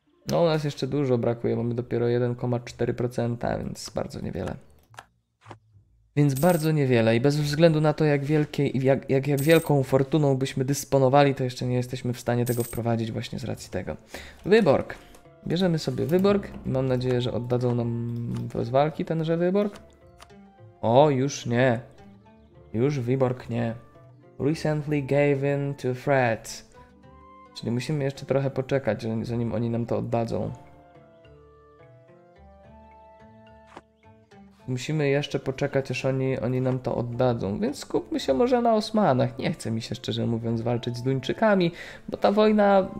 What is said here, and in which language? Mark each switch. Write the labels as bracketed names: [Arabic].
[Polish] No, u nas jeszcze dużo brakuje, mamy dopiero 1,4%, więc bardzo niewiele. I bez względu na to, jak wielką fortuną byśmy dysponowali, to jeszcze nie jesteśmy w stanie tego wprowadzić właśnie z racji tego. Wyborg. Bierzemy sobie Wyborg. Mam nadzieję, że oddadzą nam bez walki tenże Wyborg. O, już nie. Już Wyborg nie. [English] Recently gave in to threat. [Polish] Czyli musimy jeszcze trochę poczekać, zanim oni nam to oddadzą. Musimy jeszcze poczekać, aż oni nam to oddadzą. Więc skupmy się może na Osmanach. Nie chce mi się, szczerze mówiąc, walczyć z Duńczykami, bo ta wojna...